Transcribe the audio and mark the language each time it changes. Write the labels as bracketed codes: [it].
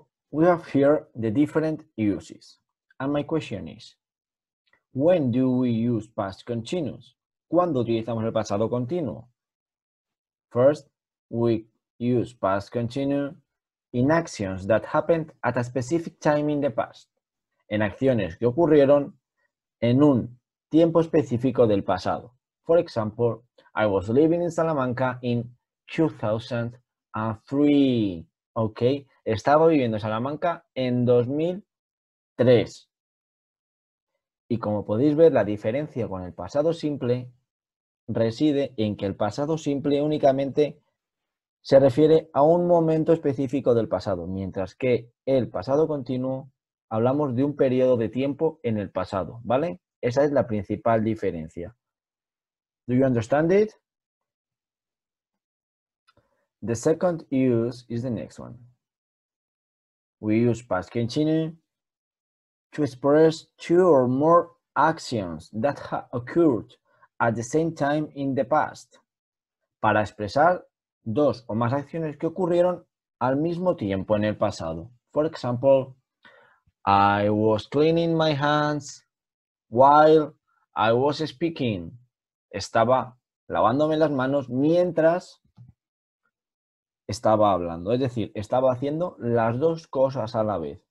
[en] We have here the different uses. And my question is, when do we use past continuous? [es] ¿Cuándo utilizamos el pasado continuo? [en] First, we use past continuous in actions that happened at a specific time in the past. [es] En acciones que ocurrieron en un tiempo específico del pasado. [en] For example, I was living in Salamanca in 2003. [es] Okay, estaba viviendo en Salamanca en 2003. Y como podéis ver, la diferencia con el pasado simple reside en que el pasado simple únicamente se refiere a un momento específico del pasado, mientras que el pasado continuo hablamos de un periodo de tiempo en el pasado, ¿vale? Esa es la principal diferencia. [en] Do you understand it? The second use is the next one. We use past continue to express two or more actions that have occurred at the same time in the past. [es] Para expresar dos o más acciones que ocurrieron al mismo tiempo en el pasado. [en] For example, I was cleaning my hands while I was speaking. [es] Estaba lavándome las manos mientras estaba hablando, es decir, estaba haciendo las dos cosas a la vez.